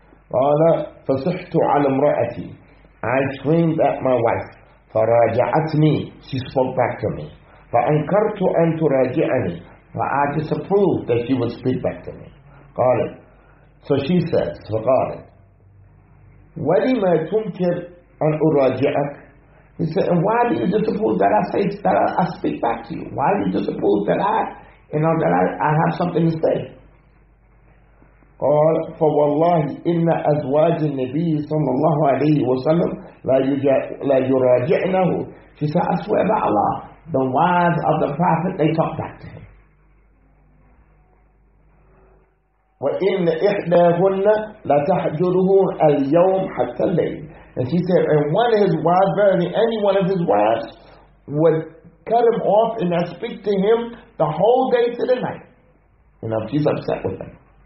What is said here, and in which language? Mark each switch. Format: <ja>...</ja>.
<en>قال فصحت على امرأتي I screamed at my wife فراجعتني She spoke back to me فأنكرت أن تراجعني I disapproved that she would speak back to me قالت So she says فقالت ولما تنكر أن أراجعك He said and why do you disapprove that I speak back to you why do you disapprove that I have something to say قال فوالله إن أزواج النبي صلى الله عليه وسلم لا يراجعنه She said, I swear by Allah, the wives of the Prophet, they talk back to him.</en> <ar>وإن إحداهن لتحجره اليوم حتى الليل.</ar> <en>And she said, and one of his wives, barely any one of his wives, would cut him off and not speak to him the whole day to the night. You know, she's upset with him.</en>